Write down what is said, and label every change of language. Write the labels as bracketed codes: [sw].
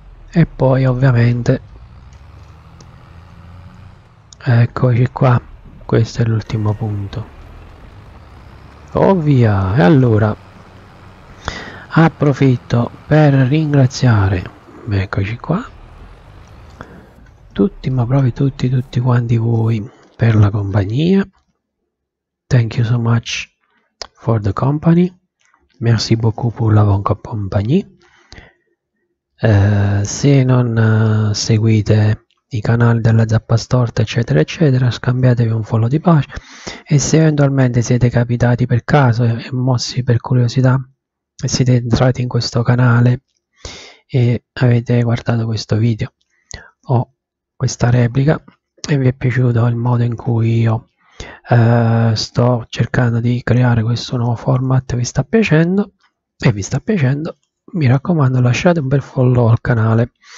[it] E poi ovviamente eccoci qua, questo è l'ultimo punto, ovvia. E allora approfitto per ringraziare, eccoci qua, tutti, ma proprio tutti quanti voi per la compagnia. [en] Thank you so much for the company. [fr] Merci beaucoup pour la bonne compagnie. [it] Se non seguite i canali della Zappa Storta, eccetera, eccetera, scambiatevi un follow di pace. E se eventualmente siete capitati per caso e mossi per curiosità, siete entrati in questo canale e avete guardato questo video o questa replica e vi è piaciuto il modo in cui io sto cercando di creare questo nuovo format, vi sta piacendo e vi sta piacendo, mi raccomando, lasciate un bel follow al canale.